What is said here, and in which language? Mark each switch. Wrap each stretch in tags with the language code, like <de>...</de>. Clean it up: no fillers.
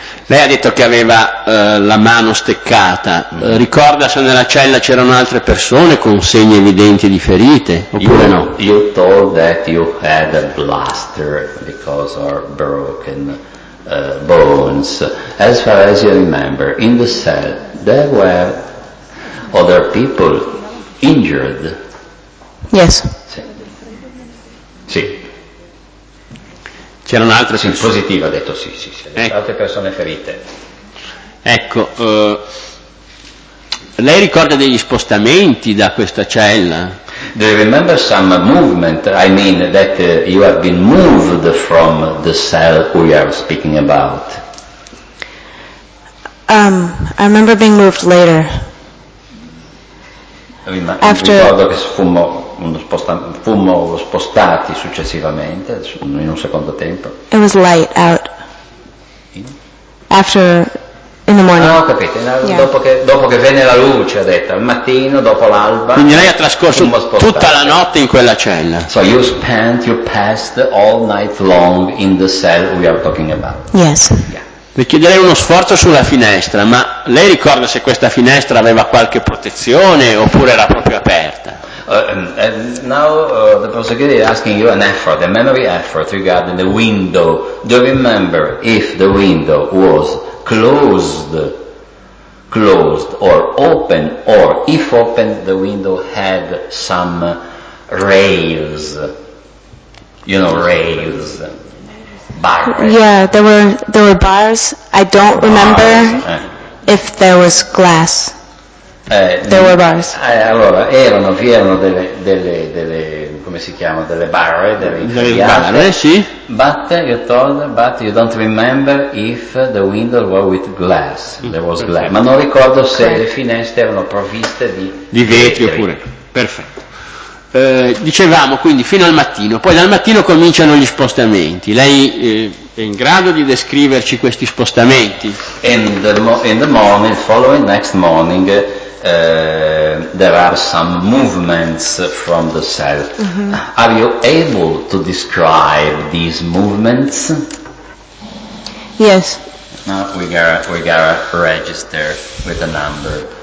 <it>Lei ha detto che aveva la mano steccata. Ricorda se nella cella c'erano altre persone con segni evidenti di ferite oppure</it> <en>you,</en> <it>no?</it> <en>You told that you had a blaster because of broken bones. As far as you remember, in the cell there were other people injured. Yes.</en> <it>Sì. C'erano altre persone. Sì, positiva, ha detto sì. Ecco. Altre persone ferite. Ecco, lei ricorda degli spostamenti da questa cella?</it> <en>Do you remember some movement? I mean that you have been moved from the cell we are speaking about. I remember being moved later.</en> <it>Ricordo che fummo spostati successivamente in un secondo tempo.</it> <en>It was light out. After, in the morning.</en> <it>Ah, ho capito. Yeah. Dopo che venne la luce, ha detto, al mattino, dopo l'alba. Quindi lei ha trascorso tutta la notte in quella cella.</it> <en>So you passed all night long in the cell we are talking about. Yes.</en> <it>Le chiederei uno sforzo sulla finestra, ma lei ricorda se questa finestra aveva qualche protezione oppure era proprio aperta?</it> <en>The prosecutor is asking you an effort, a memory effort regarding the window. Do you remember if the window was closed or open, or if open the window had some rails? You know, rails. Bars. Yeah, there were bars. I don't remember if there was glass. There were bars.</en> <it>Allora, erano delle come si chiama, delle barre, delle barre, sì.</it> <en>But you don't remember if the window were with glass. There was perfetto.</en> <it>Glass. Ma non ricordo se le finestre erano provviste di vetri oppure. Perfetto. Dicevamo quindi fino al mattino, poi dal mattino cominciano gli spostamenti. Lei è in grado di descriverci questi spostamenti?</it> <en>In the morning, following next morning, there are some movements from the cell. Mm-hmm. Are you able to describe these movements? Yes. Now we got a register with a number.</en>